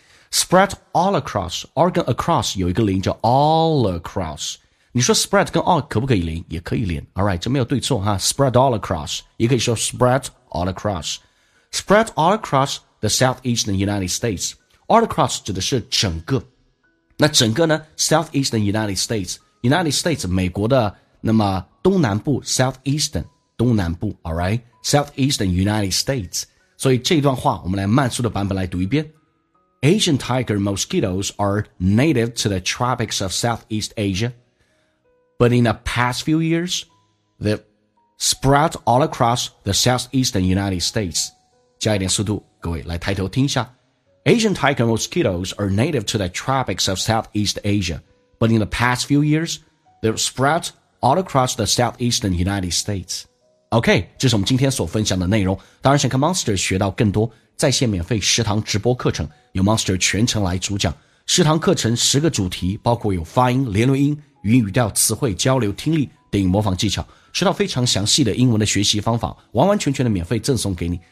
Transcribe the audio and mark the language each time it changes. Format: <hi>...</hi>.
<zh>spread all across, all 跟 across 有一个连叫 all across, 你说 spread 跟 all 可不可以连，也可以连， alright 这没有对错哈， spread all across 也可以说 spread all across,</zh> <en>spread all across the southeastern United States,</en> <zh>all across 指的是整个，那整个呢 southeastern United States, United States 美国的那么东南部 Southeastern 东南部 alright Southeastern United States。所以这段话我们来慢速的版本来读一遍。</zh> <en>Asian tiger mosquitoes are native to the tropics of Southeast Asia, but in the past few years they've spread all across the Southeastern United States.</en> <zh>加一点速度，各位来抬头听一下。</zh> <en>Asian tiger mosquitoes are native to the tropics of Southeast Asia, but in the past few years they've spreadAll across the southeastern United States.</en> <zh>OK, 这是我们今天所分享的内容。当然想看 Monster 学到更多在线免费十堂直播课程，由 Monster 全程来主讲。十堂课程十个主题，包括有发音、连轮音、语音语调、词汇、交流、听力、电影模仿技巧，学到非常详细的英文的学习方法，完完全全的免费赠送给你。</zh>